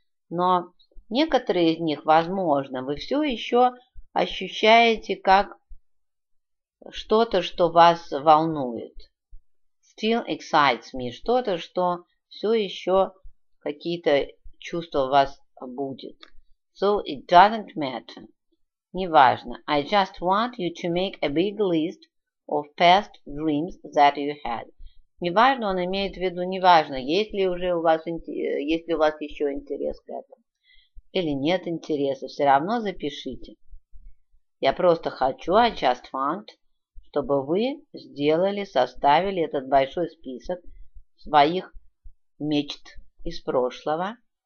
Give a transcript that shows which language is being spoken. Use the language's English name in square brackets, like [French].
[Russian] Но некоторые из них, возможно, вы все еще ощущаете как что-то, что вас волнует. [English] Still excites me. [Russian] Что-то, что все еще какие-то чувства вас будет. [English] So it doesn't matter. [Russian] Неважно. [English] I just want you to make a big list of past dreams that you had. [Russian] Неважно, он имеет в виду, неважно, есть ли уже у вас, есть ли у вас еще интерес к этому. Или нет интереса, все равно запишите. Я просто хочу, [English] I just want, [Russian] чтобы вы сделали, составили этот большой список своих мечт из прошлого.